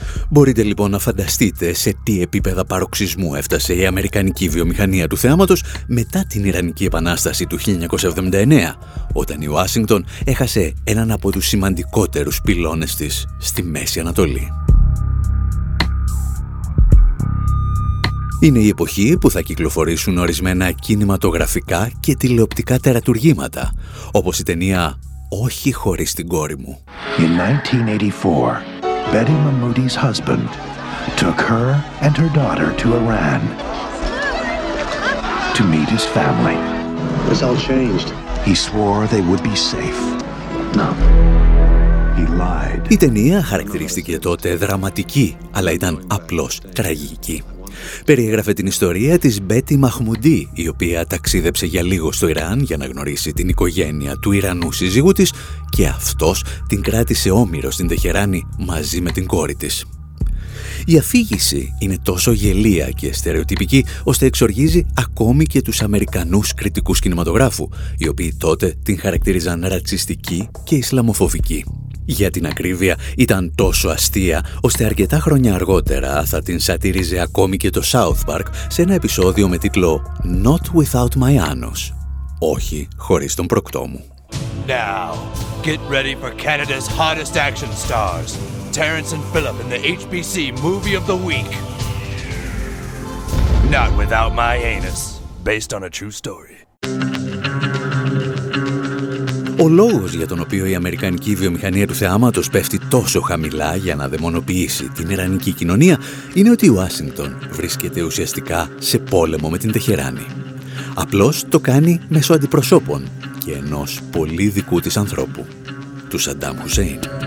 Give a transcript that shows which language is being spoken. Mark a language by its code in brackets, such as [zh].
[el] Μπορείτε λοιπόν να φανταστείτε σε τι επίπεδα παροξισμού έφτασε η αμερικανική βιομηχανία του θεάματος μετά την Ιρανική Επανάσταση του 1979, όταν η Ουάσιγκτον έχασε έναν από τους σημαντικότερους πυλώνες της στη Μέση Ανατολή. Είναι η εποχή που θα κυκλοφορήσουν ορισμένα κινηματογραφικά και τηλεοπτικά τερατουργήματα, όπως η ταινία «Όχι χωρίς την κόρη μου». [en] In 1984, Betty Mahmoudi's husband took her and her daughter to Iran to meet his family. It's all changed. He swore they would be safe. No. He lied. [el] Η ταινία χαρακτηρίστηκε τότε δραματική, αλλά ήταν απλώς τραγική. Περιέγραφε την ιστορία της Μπέτι Μαχμουντή, η οποία ταξίδεψε για λίγο στο Ιράν για να γνωρίσει την οικογένεια του Ιρανού σύζυγου της και αυτός την κράτησε όμηρο στην Τεχεράνη μαζί με την κόρη της. Η αφήγηση είναι τόσο γελία και στερεοτυπική ώστε εξοργίζει ακόμη και τους Αμερικανούς κριτικούς κινηματογράφου, οι οποίοι τότε την χαρακτήριζαν ρατσιστική και ισλαμοφοβική. Για την ακρίβεια, ήταν τόσο αστεία, ώστε αρκετά χρόνια αργότερα θα την σατήριζε ακόμη και το South Park σε ένα επεισόδιο με τίτλο «Not Without My Anus». Όχι χωρίς τον προκτό μου. [en] Now, get ready for Canada's hottest action stars. Terrence and Philip in the HBC Movie of the Week. Not Without My Anus, based on a true story. [el] Ο λόγος για τον οποίο η αμερικανική βιομηχανία του θεάματος πέφτει τόσο χαμηλά για να δαιμονοποιήσει την ιρανική κοινωνία είναι ότι η Ουάσιγκτον βρίσκεται ουσιαστικά σε πόλεμο με την Τεχεράνη. Απλώς το κάνει μέσω αντιπροσώπων και ενός πολύ δικού της ανθρώπου, του Σαντάμ Χουσέιν.